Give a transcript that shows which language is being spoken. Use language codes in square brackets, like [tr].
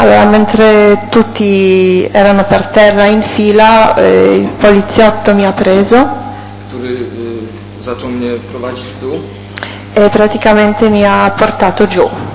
[it] Allora, mentre tutti erano per terra in fila, il poliziotto mi ha preso. [pl] Który zaczął mnie prowadzić w dół. [it] E praticamente mi ha portato giù.